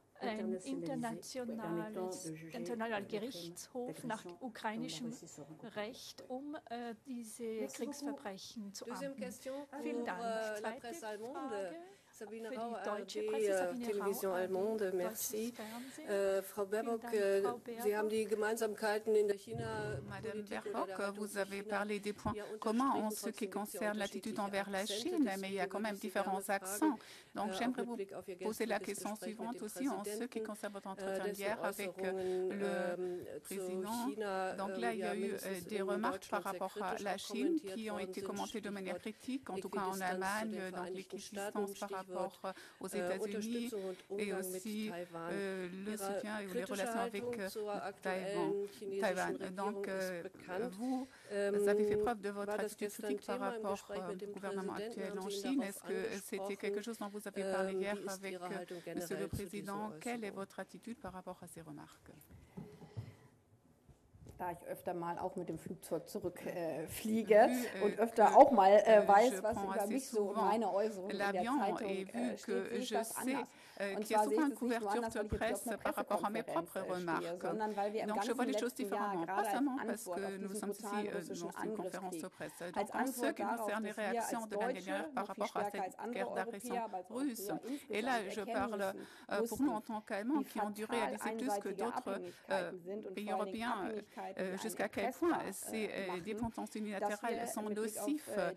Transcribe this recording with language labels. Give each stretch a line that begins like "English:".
German: Ein internationaler Gerichtshof nach ukrainischem Recht, um diese Kriegsverbrechen zu ahnden. Vielen Dank. Zweite Frage.
French: Sabine Rau, deutsche Television Allemande, merci.
German: Frau Baerbock, Sie haben die Gemeinsamkeiten in der China.
French: Madame Baerbock, vous avez parlé des points communs en ce qui concerne l'attitude envers la Chine, mais il y a quand même différents accents. Donc, j'aimerais vous poser la question suivante aussi en ce qui concerne votre entretien hier avec le président. Donc, là, il y a eu des remarques par rapport à la Chine qui ont été commentées de manière critique, en tout cas en Allemagne, donc l'équidistance par rapport aux États-Unis et aussi le soutien ou les relations avec Taïwan. Donc, vous avez fait preuve de votre attitude critique par rapport au gouvernement actuel en Chine. Est-ce que c'était quelque chose dont vous avez parlé hier avec M. le Président? Quelle est votre attitude par rapport à ces remarques?
German: Da ich öfter mal auch mit dem Flugzeug zurückfliege und öfter auch mal weiß, was über mich so meine Äußerungen in der Zeitung steht, sehe ich das anders.
French: Qu'il y a souvent une couverture de presse par rapport à mes propres remarques. Donc, je vois les choses différemment, pas seulement parce que nous sommes ici dans une conférence de presse. Donc, en ce qui concerne les réactions de la dernière par rapport à cette guerre d'agression russe, et là, je parle pour nous en tant qu'Allemands qui ont dû réaliser plus que d'autres pays européens jusqu'à quel point ces dépendances unilatérales sont nocives.